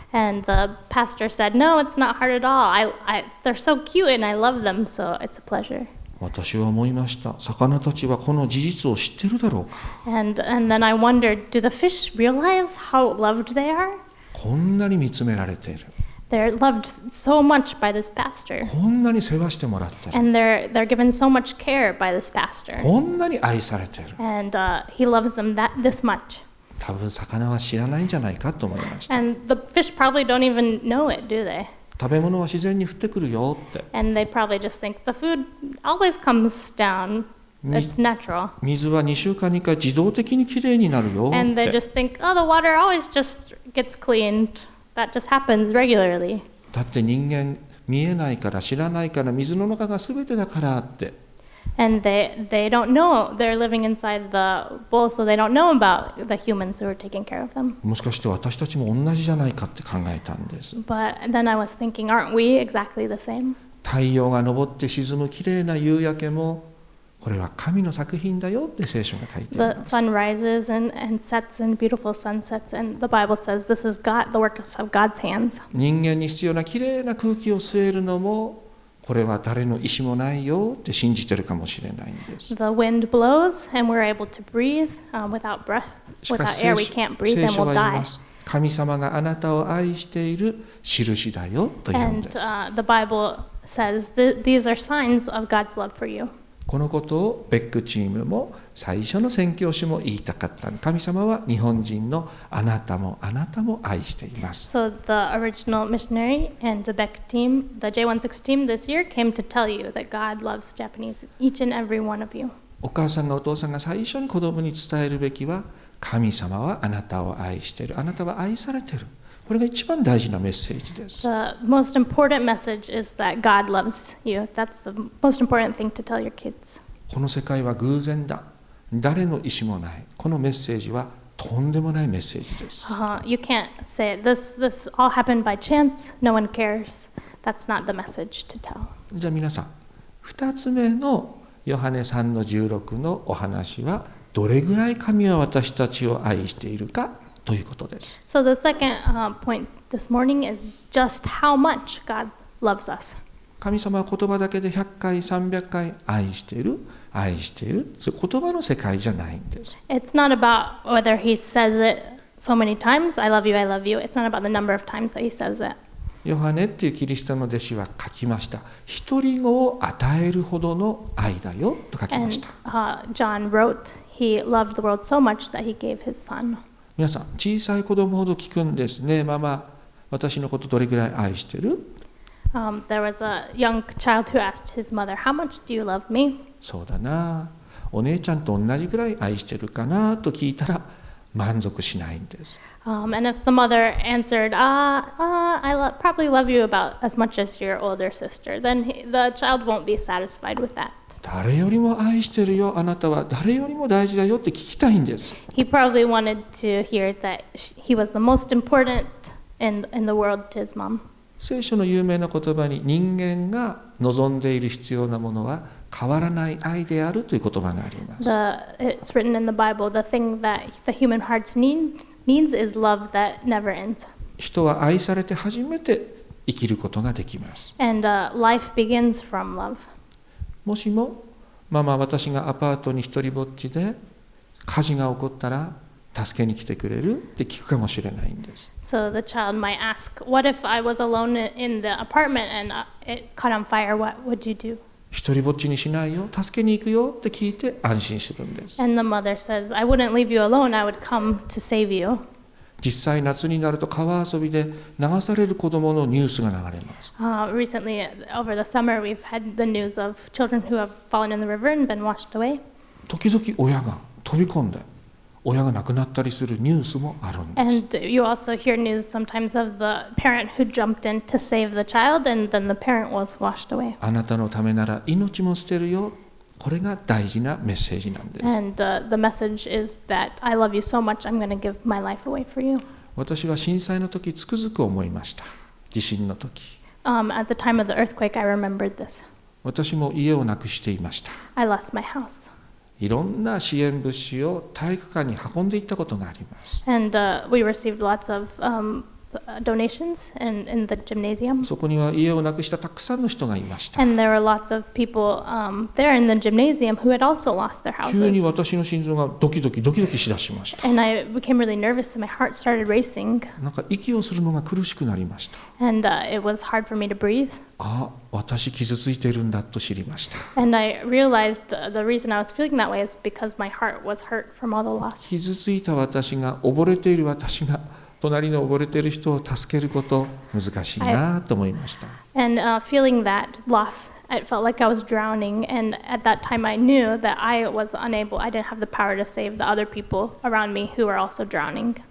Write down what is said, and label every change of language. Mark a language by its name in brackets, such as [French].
[English] And the pastor said, "No, it's not hard at all. They're so cute, and I love them, so it's a pleasure." [Japanese] 私は思いました。魚たちはこの事実を知ってるだろうか。 [English] And then I wondered, do the fish realize how loved they are? [Japanese] こんなに見つめられている。 [English] They're loved so much by this pastor. [Japanese] こんなに世話してもらってる。 [English] And they're given so much care by this pastor. [Japanese] こんなに愛されてる。 [English] And he loves them that this much. [Japanese] 多分魚は知らないんじゃないかと思いました。 [English] And the fish probably don't even know it, do they? [Japanese] 食べ物は自然に降ってくるよって。 [English] And they probably just think the food always comes down It's natural. [Japanese] 水は2週間に1回自動的にきれいになるよって。 [English] And they just think, oh, the water always just gets cleaned. That just happens regularly. [Japanese] だって人間見えないから知らないから水の中が全てだからって。 [English] And they don't know. They're living inside the bowl, so they don't know about the humans who are taking care of them. [Japanese] もしかして私たちも同じじゃないかって考えたんです。 [English] But then I was thinking, aren't we exactly the same? [Japanese] 太陽が昇って沈むきれいな夕焼けも、これは神の作品だよって聖書が書いています。 [English] The sun rises and sets and beautiful sunsets and the Bible says this is God, the work of God's hands. [Japanese] 人間に必要なきれいな空気を吸えるのも、これは誰の意思もないよって信じてるかもしれないんです。 [English] The wind blows and we're able to breathe without breath, without air we can't breathe and we'll die. [Japanese] 神様があなたを愛している印だよと言うんです。 [English] And the Bible says these are signs of God's love for you. [Japanese] このことをベックチームも最初の宣教師も言いたかった。神様は日本人のあなたもあなたも愛しています。 [English] So the original missionary and the Beck team, the J16 team this year came to tell you that God loves Japanese, each and every one of you. [Japanese] お母さんがお父さんが最初に子供に伝えるべきは、神様はあなたを愛している。あなたは愛されている。これが一番大事なメッセージです。 [English] The most important message is that God loves you. That's the most important thing to tell your kids. [Japanese] この世界は偶然だ。誰の意思もない。このメッセージはとんでもないメッセージです。 [English] You can't say this all happened by chance. No one cares. That's not the message to tell. [Japanese] じゃあ皆さん、二つ目のヨハネ3の16のお話は、どれぐらい神は私たちを愛しているか。ということです。 [English] So the second point this morning is just how much God loves us. [Japanese] 神様は言葉だけで100回、300回愛している、愛している。それ言葉の世界じゃないんです。 [English] It's not about whether he says it so many times, I love you, I love you. It's not about the number of times that he says it. [Japanese] ヨハネっていうキリストの弟子は書きました。一人子を与えるほどの愛だよと書きました。 [English] And John wrote, he loved the world so much that he gave his son. [Japanese] 皆さん、小さい子供ほど聞くんですね。ママ、私のことどれぐらい愛してる？ [English] There was a young child who asked his mother, How much do you love me? [Japanese] そうだな。お姉ちゃんと同じぐらい愛してるかなと聞いたら満足しないんです。 [English] And if the mother answered, I probably love you about as much as your older sister, then the child won't be satisfied with that. [Japanese] 誰よりも愛してるよ、あなたは誰よりも大事だよって聞きたいんです。 [English] He probably wanted to hear that he was the most important in the world to his mom. [Japanese] 聖書の有名な言葉に人間が望んでいる必要なものは変わらない愛であるという言葉があります。 [English] It's written in the Bible, the thing that the human heart needs is love that never ends. [Japanese] 人は愛されて初めて生きることができます。 [English] And life begins from love. [Japanese] もしもママ私がアパートに一人ぼっちで火事が起こったら助けに来てくれるって聞くかもしれないんです。 [English] So the child might ask, What if I was alone in the apartment and it caught on fire? What would you do? [Japanese] 一人ぼっちにしないよ、助けに行くよって聞いて安心するんです。 [English] And the mother says, I wouldn't leave you alone. I would come to save you. [Japanese] 実際夏になると川遊びで流される子どものニュースが流れます。 [English] Recently, over the summer, we've had the news of children who have fallen in the river and been washed away. [Japanese] 時々親が飛び込んで、親が亡くなったりするニュースもあるんです。 [English] And you also hear news sometimes of the parent who jumped in to save the child, and then the parent was washed away. [Japanese] あなたのためなら命も捨てるよ。これが大事なメッセージなんです。 [English] And the message is that I love you so much, I'm going to give my life away for you. [Japanese] 私は震災の時つくづく思いました。地震の時。 [English] At the time of the earthquake, I remembered this. [Japanese] 私も家をなくしていました。 [English] I lost my house. [Japanese] いろんな支援物資を体育館に運んでいったことがあります。 [English] And we received lots of donations in the gymnasium. [Japanese] そこには家をなくしたたくさんの人がいました。 [English] And there were lots of people there in the gymnasium who had also lost their houses. [Japanese] 急に私の心臓がドキドキドキドキしだしました。 [English] And I became really nervous and my heart started racing. [Japanese] なんか息をするのが苦しくなりました。 [English] And it was hard for me to breathe. [Japanese] あ、私傷ついてるんだと知りました。 [English] And I realized the reason I was feeling that way is because my heart was hurt from all the loss. [Japanese] 傷ついた私が溺れている私が隣の溺れている人を助けること難しいなと思いました。 [English] And feeling that loss, I felt like I was drowning. And at that time, I knew that I was unable. I didn't have the power to save the other people around me who were also drowning.